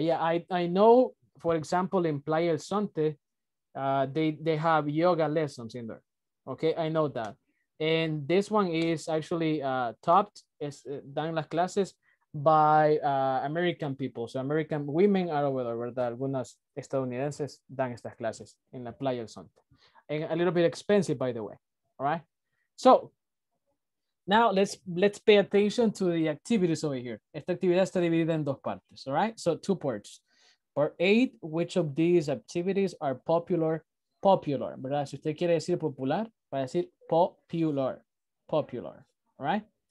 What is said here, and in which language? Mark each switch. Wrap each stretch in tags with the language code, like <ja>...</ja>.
<en>Yeah, I know, for example, in Playa El Sonte, they have yoga lessons in there. Okay, I know that. And this one is actually topped,</en> <es>es dan las clases</es> <en>by American people. So American women are over there,</en> <es>¿verdad? Algunas estadounidenses dan estas clases en la Playa del Sonte.</es> <en>And a little bit expensive, by the way. All right. So now let's pay attention to the activities over here.</en> <es>Esta actividad está dividida en dos partes.</es> <en>All right. So two parts. Part eight, which of these activities are popular?</en> <es>Popular, ¿verdad? Si usted quiere decir popular, va a decir popular, popular,</es> <en>right?</en>